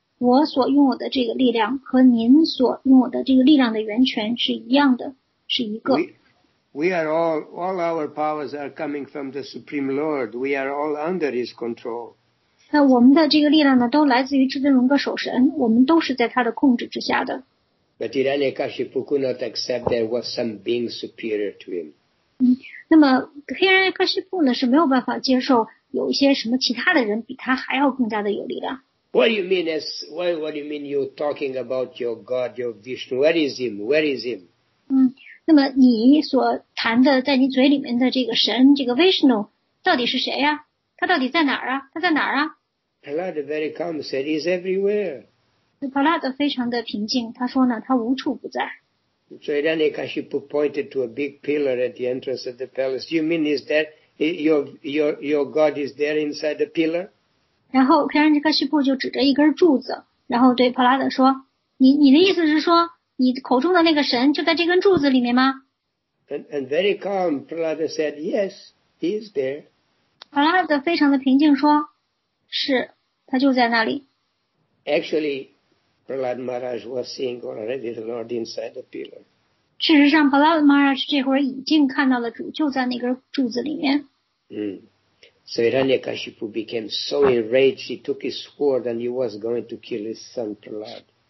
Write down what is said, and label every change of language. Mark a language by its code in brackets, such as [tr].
[zh] 我所拥有的这个力量和您所拥有的这个力量的源泉是一样的，是一个。 [en] We are all our powers are coming from the Supreme Lord. We are all under His control. [zh] 那我们的这个力量呢，都来自于至尊荣格守神，我们都是在他的控制之下的。 [en] But Hiranyakashipu could not accept there was some being superior to him. [zh] 那么 Hiranyakashipu 呢是没有办法接受有一些什么其他的人比他还要更加的有力量。 [en] What do you mean you talking about your God, your Vishnu? Where is him? [zh] 那么你所谈的在你嘴里面的这个神，这个 Vishnu, 到底是谁呀？他到底在哪儿啊？他在哪儿啊？ [en] Prahlada very calm said, he's everywhere. [zh] Prahlada 非常的平静，他说呢，他无处不在。 [en] So Hiranyakashipu pointed to a big pillar at the entrance of the palace. You mean is that your God is there inside the pillar? [zh] 然后黑人杰克西布就指着一根柱子，然后对普拉德说，你的意思是说你口中的那个神就在这根柱子里面吗？ [en] And very calm, Prahlada said, yes, he is there. [zh] 普拉德非常的平静说，是，他就在那里。 [en] Actually, Prahlada Maharaj was seeing already the Lord inside the pillar. [zh] 事实上 Prahlada Maharaj 这会儿已经看到了主就在那根柱子里面。 [en] So Hiranyakashipu became so enraged, he took his sword and he was going to kill his son Prahlad.